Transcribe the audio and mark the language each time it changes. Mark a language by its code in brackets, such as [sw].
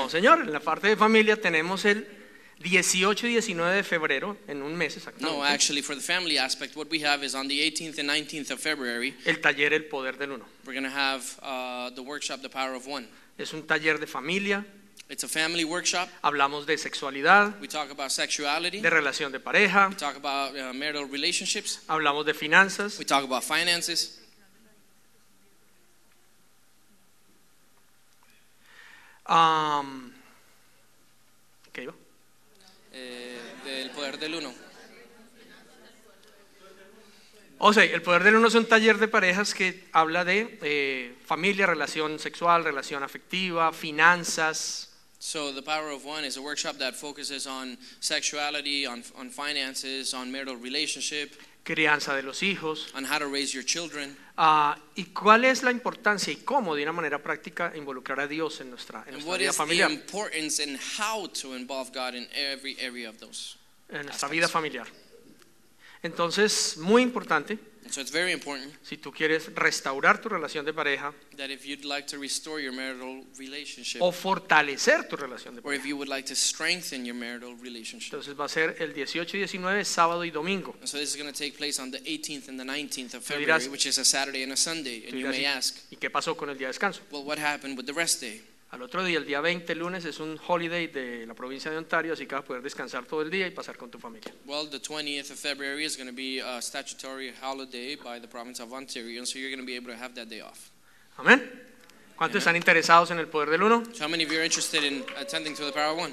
[es] No, señor, en la parte de familia tenemos el 18 y 19 de febrero, en un mes exactamente. [en] No, actually, for the family aspect, what we have is on the 18th and 19th of February. [es] El taller El Poder del Uno. [en] We're going to have the workshop, The Power of One. [es] Es un taller de familia. [en] It's a family workshop. [es] Hablamos de sexualidad. [en] We talk about sexuality. [es] De relación de pareja. [en] We talk about marital relationships. [es] Hablamos de finanzas. [en] We talk about finances. [es] ¿Qué iba? Del poder del uno. O sea, el poder del uno es un taller de parejas que habla de familia, relación sexual, relación afectiva, finanzas. [en] So the power of one is a workshop that focuses on sexuality, on finances, on marital relationship. [es] Crianza de los hijos. [en] On how to raise your children. [es] Y cuál es la importancia y cómo de una manera práctica involucrar a Dios en nuestra vida familiar. [en] The importance and how to involve God in every area of those [es] en nuestra vida familiar. Entonces, muy importante. [en] So it's very important. [es] Si tú quieres restaurar tu relación de pareja, [en] that if you'd like to restore your marital relationship, [es] o fortalecer tu relación de pareja, [en] or if you would like to strengthen your marital relationship. [es] Entonces va a ser el 18 y 19, sábado y domingo. [en] So this is going to take place on the 18th and the 19th of February, [es] dirás, [en] which is a Saturday and a Sunday. And you may ask, [es] ¿y qué pasó con el día de descanso? [en] Well, what happened with the rest day? [es] Al otro día, el día 20, lunes, es un holiday de la provincia de Ontario, así que vas a poder descansar todo el día y pasar con tu familia. [en] Well, the 20th of February is going to be a statutory holiday by the province of Ontario, so you're going to be able to have that day off. [es] Amén. ¿Cuántos están interesados en el poder del uno? [en] So how many of you are interested in attending to the power of one?